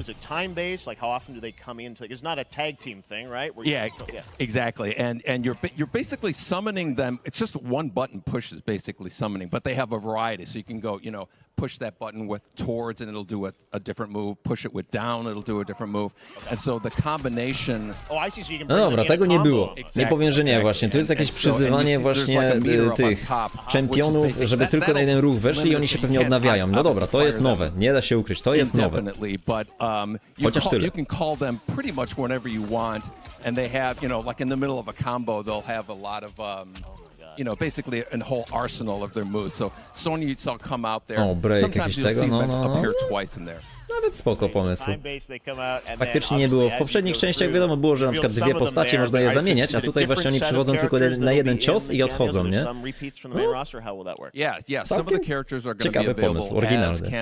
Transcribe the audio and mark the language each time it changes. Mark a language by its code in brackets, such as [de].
[en] Is it time-based? Like, how often do they come in? It's not a tag team thing, right? Exactly. And you're basically summoning them. It's just one button pushes, basically, summoning. But they have a variety. So you can go, you know, push that button with towards, and it'll do a different move. Push it with down, it'll do a different move. Okay. And so the combination... Oh, I see. So you can... [pl] No dobra, tego nie było. Exactly. Nie powiem, że nie właśnie. To jest jakieś przyzywanie właśnie tych czempionów, żeby tylko na jeden ruch weszli i oni się pewnie odnawiają. No dobra, to jest nowe. Nie da się ukryć. To jest nowe. Chociaż tyle. [en] You can call them pretty much whenever you want, and they have, you know, like in the middle of a combo, they'll have a lot of... you know, basically a whole arsenal of their moves. So Sony saw come out there. Oh, break. Sometimes you'll see them appear twice in there. [pl] Nawet spoko pomysł. Faktycznie nie było. W poprzednich częściach wiadomo było, że na przykład dwie postacie można je zamieniać, a tutaj właśnie oni przychodzą tylko na jeden cios i odchodzą, nie? Ciekawy pomysł, oryginalny.